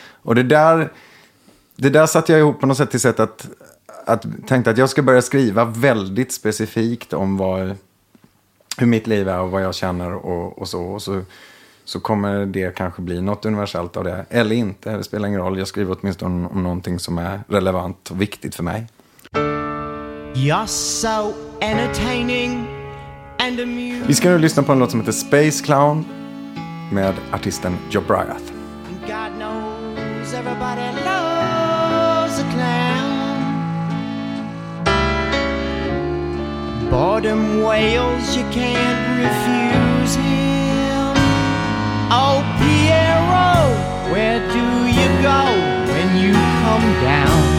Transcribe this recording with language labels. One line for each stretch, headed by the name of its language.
Swedish: Och det där satte jag ihop på något sätt att tänkte att jag ska börja skriva väldigt specifikt om hur mitt liv är och vad jag känner och så. Och så kommer det kanske bli något universellt av det. Eller inte, det spelar ingen roll. Jag skriver åtminstone om någonting som är relevant och viktigt för mig.
English: You're so entertaining and amusing.
Swedish: Vi ska nu lyssna på en låt som heter Space Clown med artisten Jobriath.
English: God knows everybody loves a clown. Boredom whales, you can't refuse him. Oh, Piero, where do you go when you come down?